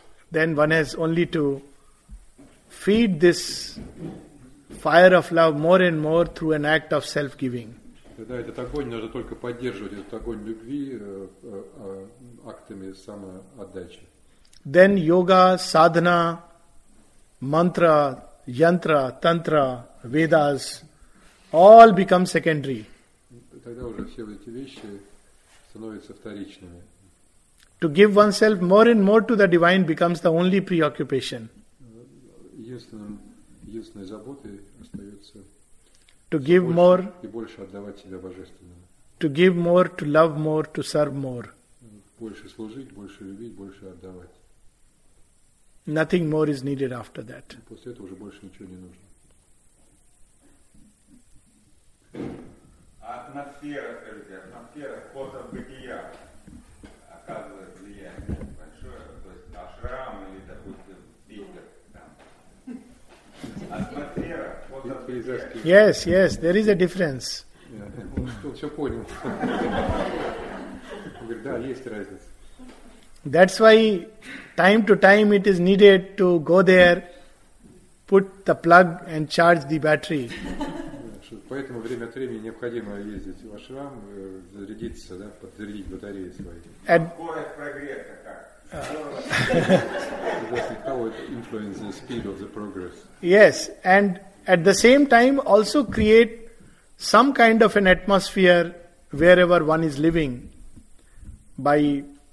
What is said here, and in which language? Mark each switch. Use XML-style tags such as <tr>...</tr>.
<en>Then one has only to feed this fire of love more and more through an act of self-giving.</en> <ru>Тогда этот огонь нужно только поддерживать, этот огонь любви актами самоотдачи.</ru> <en>Then yoga, sadhana, mantra, yantra, tantra, Vedas, all become secondary.</en> <ru>Тогда уже все эти вещи становятся вторичными.</ru> <en>To give oneself more and more to the divine becomes the only preoccupation.</en> <ru>Единственной заботой остается.</ru> <en>To give more.</en> <ru>И больше отдавать себя божественному.</ru> <en>To give more, to love more, to serve more.</en> <ru>Больше служить, больше любить, больше отдавать.</ru> <en>Nothing more is needed after that.</en> <ru>После этого уже больше ничего не нужно. Атмосфера, скажите, атмосфера входа в бытие оказывает влияние большое, то есть ашрам или, допустим, Питер там. Атмосфера входа в бытие.</ru> <en>Yes, yes, there is a difference.</en> <ru>Он все понял. Говорит, да, есть разница.</ru> <en>That's why time to time it is needed to go there, put the plug and charge the battery.</en> <ru>Поэтому время от времени необходимо ездить в ашрам, зарядиться, да, подзарядить батареи свои.</ru> <en>And</en> <ru>скорость прогресса как?</ru> <en>Because the power influences the speed of the progress. Yes, and at the same time also create some kind of an atmosphere wherever one is living by</en>